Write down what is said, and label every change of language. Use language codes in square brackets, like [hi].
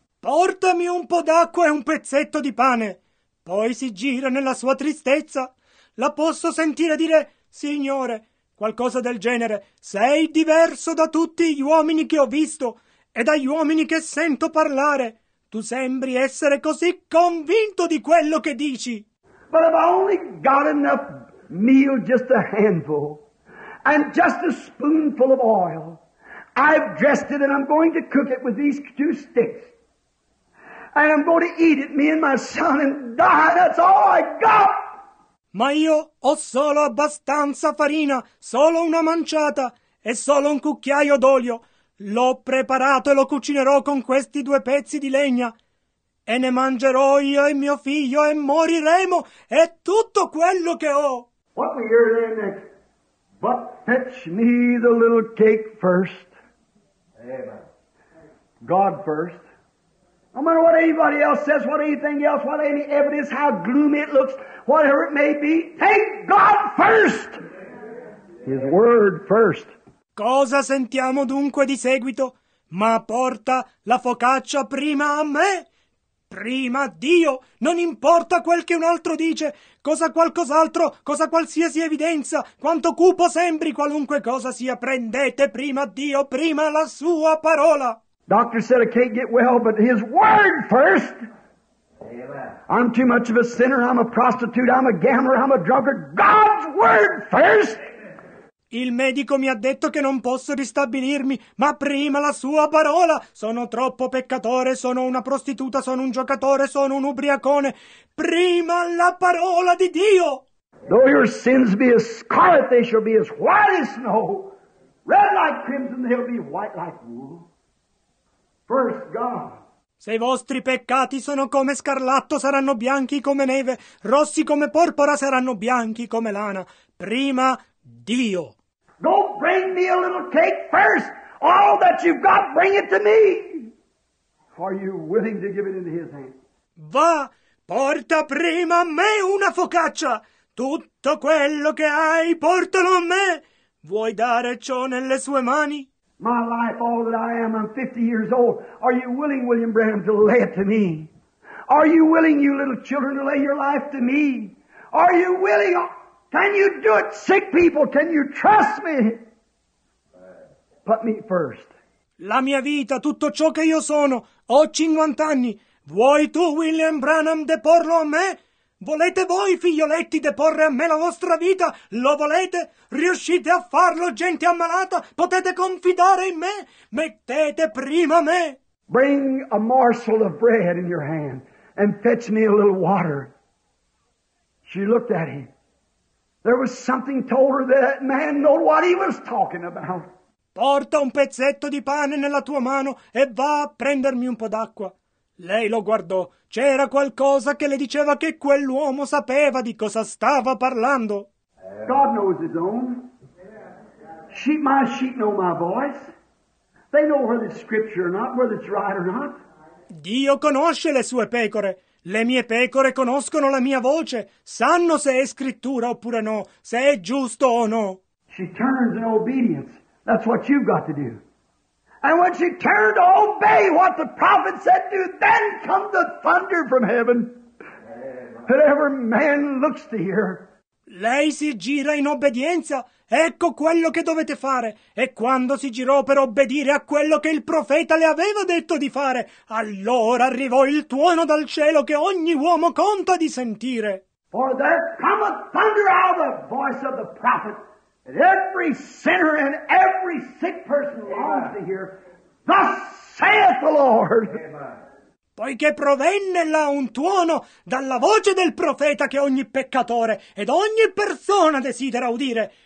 [it] Portami un po' d'acqua e un pezzetto di pane. Poi si gira nella sua tristezza. La posso sentire dire, Signore, qualcosa del genere. Sei diverso da tutti gli uomini che ho visto e dagli uomini che sento parlare. Tu sembri essere così convinto di quello che dici. [en] But I've only got enough meal, just a handful, and just a spoonful of oil. I've dressed it and I'm going to cook it with these two sticks. And I'm going to eat it, me and my son, and die. That's all I got. [it] Ma io ho solo abbastanza farina, solo una manciata e solo un cucchiaio d'olio. L'ho preparato e lo cucinerò con questi due pezzi di legna. E ne mangerò io e mio figlio e moriremo. È tutto quello che ho. [en] What we hear then is, but fetch me the little cake first. Amen. God first. No matter what anybody else says, what anything else, what any evidence, how gloomy it looks, whatever it may be, take God first! His word first. [it] Cosa sentiamo dunque di seguito? Ma porta la focaccia prima a me! Prima a Dio! Non importa quel che un altro dice, cosa qualcos'altro, cosa qualsiasi evidenza, quanto cupo sembri, qualunque cosa sia, prendete prima a Dio, prima la sua parola! [en] Doctor said I can't get well, but His word first! Amen. I'm too much of a sinner, I'm a prostitute, I'm a gambler, I'm a drunkard. God's word first! [it] Il medico mi ha detto che non posso ristabilirmi, ma prima la sua parola! Sono troppo peccatore, sono una prostituta, sono un giocatore, sono un ubriacone. Prima la parola di Dio! [en] Though your sins be as scarlet, they shall be as white as snow. Red like crimson, they'll be white like wool. First God. [it] Se i vostri peccati sono come scarlatto, saranno bianchi come neve. Rossi come porpora, saranno bianchi come lana. Prima Dio. [en] Go bring me a little cake first. All that you've got, bring it to me. Are you willing to give it into His hand? [it] Va, porta prima a me una focaccia. Tutto quello che hai, portalo a me. Vuoi dare ciò nelle sue mani? [en] My life, all that I am, I'm 50 years old. Are you willing, William Branham, to lay it to me? Are you willing, you little children, to lay your life to me? Are you willing? Can you do it, sick people? Can you trust me? Put me first. [it] La mia vita, tutto ciò che io sono, ho 50 anni. Vuoi tu, William Branham, deporlo a me? Volete voi, figlioletti, deporre a me la vostra vita? Lo volete? Riuscite a farlo, gente ammalata? Potete confidare in me? Mettete prima me! [en] Bring a morsel of bread in your hand and fetch me a little water. She looked at him. There was something told her that man knew what he was talking about. [it] Porta un pezzetto di pane nella tua mano e va a prendermi un po' d'acqua. Lei lo guardò. C'era qualcosa che le diceva che quell'uomo sapeva di cosa stava parlando. [en] God knows His own. Sheep, my sheep know my voice. They know whether it's scripture or not, whether it's right or not. [it] Dio conosce le sue pecore. Le mie pecore conoscono la mia voce. Sanno se è scrittura oppure no, se è giusto o no. [en] She turns in obedience. That's what you've got to do. And when she turned to obey what the prophet said to, then come the thunder from heaven. Whatever man looks to hear. [it] Lei si gira in obbedienza. Ecco quello che dovete fare. E quando si girò per obbedire a quello che il profeta le aveva detto di fare, allora arrivò il tuono dal cielo che ogni uomo conta di sentire. [en] For there cometh thunder out of the voice of the prophet. And every sinner and every sick person longs to hear. Thus saith the Lord. Amen. [it] Poiché provenne là un tuono dalla voce del profeta che ogni peccatore ed ogni persona desidera udire.